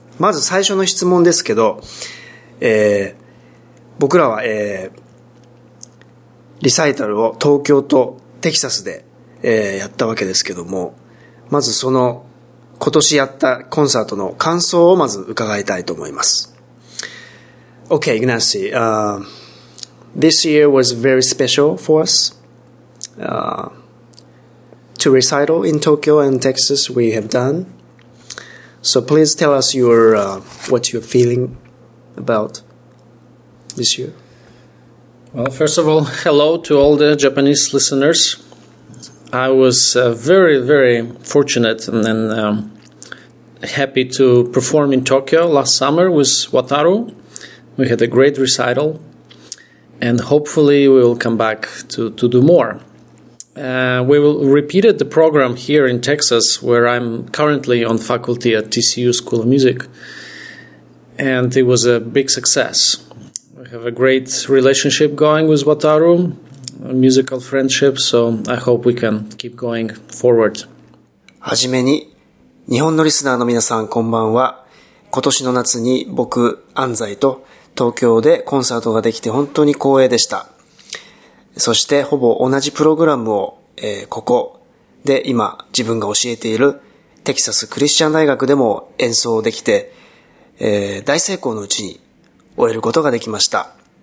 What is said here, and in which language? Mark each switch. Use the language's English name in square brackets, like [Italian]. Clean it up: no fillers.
[Japanese] まず最初の質問ですけど、僕らは、リサイタルを東京とテキサスで、やったわけですけども、まずその今年やったコンサートの感想をまず伺いたいと思います。 [English] Okay, Ignacy, this year was very special for us. To recital in Tokyo and Texas we have done. So please tell us your, what you're feeling about this year. Well, first of all, hello to all the Japanese listeners. I was very, very fortunate and happy to perform in Tokyo last summer with Wataru. We had a great recital, and hopefully we will come back to do more. We will repeat the program here in Texas, where I'm currently on faculty at TCU School of Music, and it was a big success. Have a great relationship going with Wataru, a musical friendship, so I hope we can keep going forward. [Japanese] はじめに、日本のリスナーの皆さん、こんばんは。今年の夏に僕、安西と東京でコンサートができて本当に光栄でした。そしてほぼ同じプログラムを、ここで今自分が教えているテキサスクリスチャン大学でも演奏できて、大成功のうちに終えることができました。